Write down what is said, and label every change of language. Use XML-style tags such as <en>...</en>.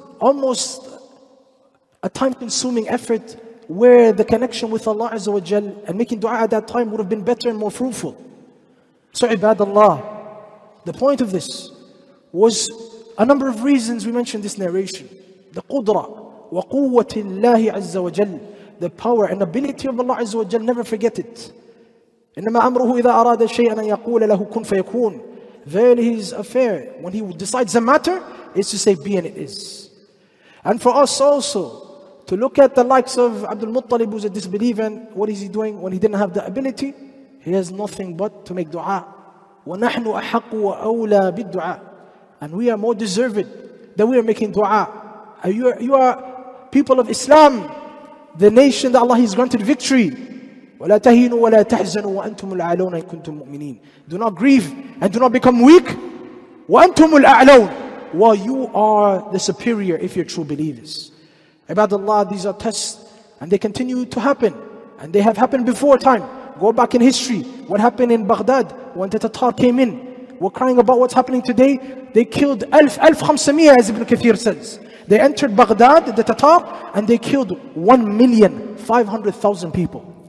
<en>almost a time-consuming effort where the connection with Allah Azza wa Jal and making dua at that time would have been better and more fruitful. So ibadallah, the point of this was a number of reasons we mentioned this narration. The</en> <ar>qudra wa quwwati</ar> <en>Allah Azza wa Jal, the power and ability of Allah Azza wa Jal, never forget it.</en> <ar>إِنَّمَا أَمْرُهُ إِذَا أَرَادَ شَيْئًا أَنْ يَقُولَ لَهُ كُنْ فَيَكُونَ.</ar> <en>Verily his affair, when he decides a matter, is to say be and it is. And for us also, to look at the likes of Abdul Muttalib, who's a disbeliever, and what is he doing when he didn't have the ability? He has nothing but to make dua.</en> <ar>وَنَحْنُ أَحَقُّ وَأَوْلَى بِالدُّعَى.</ar> <en>And we are more deserved that we are making dua. You are people of Islam, the nation that Allah has granted victory.</en> <ar>وَلَا تَهِينُوا وَلَا تَحْزَنُوا وَأَنْتُمُ الْعَلَوْنَ إِن كُنْتُمْ مُؤْمِنِينَ.</ar> <en>Do not grieve and do not become weak.</en> <ar>وَأَنْتُمُ الْأَعْلَوْنَ.</ar> <en>While you are the superior if you're true believers. Ibadallah, these are tests and they continue to happen. And they have happened before time. Go back in history. What happened in Baghdad when the Tatar came in? We're crying about what's happening today. They killed 1,500, as Ibn Kathir says. They entered Baghdad, the Tatar, and they killed 1,500,000 people.</en>